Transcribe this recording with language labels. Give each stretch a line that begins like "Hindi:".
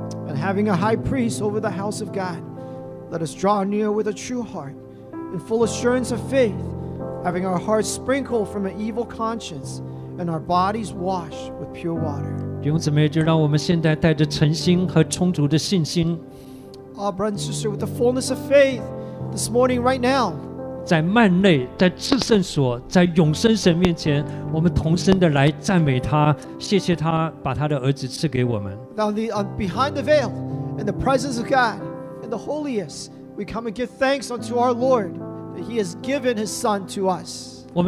English: And having a high priest over the house of God, let us draw near with a true heart, in full assurance of faith, having our hearts sprinkled from an evil conscience, and our bodies washed with pure water.
Chinese: 弟兄姊妹，就让我们现在带着诚心和充足的信心，
English: Our brothers and sisters, with the fullness of faith, this morning, right now,
Chinese: 在幔内，在至圣所，在永生神面前， 我们同声地来赞美他，谢谢他把他的儿子赐给我们。
English: Now, behind the veil, in the presence of God, in the holiest, we come and give thanks unto our Lord that he has given his Son to us.